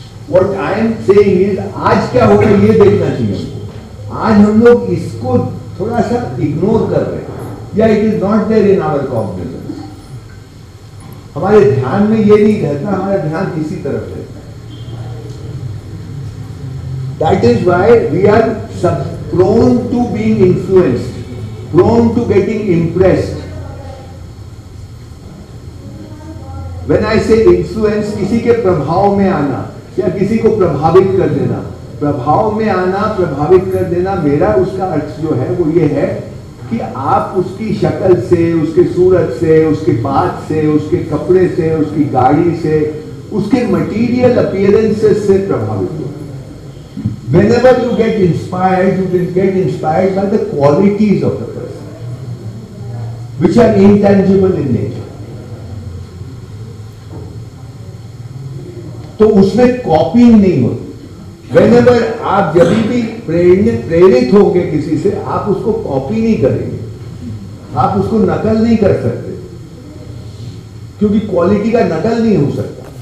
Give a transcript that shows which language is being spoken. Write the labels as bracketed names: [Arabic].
[English] what I am saying is, [Hindi] आज क्या होगा ये देखना चाहिए हमको. आज हम लोग इसको थोड़ा सा इग्नोर कर रहे हैं, या [English] It is not there in our cognitions. [Hindi] हमारे ध्यान में ये नहीं रहता, हमारा ध्यान किसी तरफ रहता. [English] That is why we are prone to being influenced, prone to getting impressed. When I say influence, [Hindi] किसी के प्रभाव में आना या किसी को प्रभावित कर देना, प्रभाव में आना, प्रभावित कर देना, मेरा उसका अर्थ जो है वो ये है कि आप उसकी शक्ल से, उसके सूरत से, उसके बात से, उसके कपड़े से, उसकी गाड़ी से, उसके मटीरियल अपियरेंसेस से प्रभावित हो. [English] Whenever you get inspired, you will get inspired by the qualities of the person, which are intangible in nature. [Hindi] तो उसमें कॉपिंग नहीं होती. Whenever आप जब भी प्रेरित होंगे किसी से, आप उसको कॉपी नहीं करेंगे, आप उसको नकल नहीं कर सकते, क्योंकि क्वालिटी का नकल नहीं हो सकता.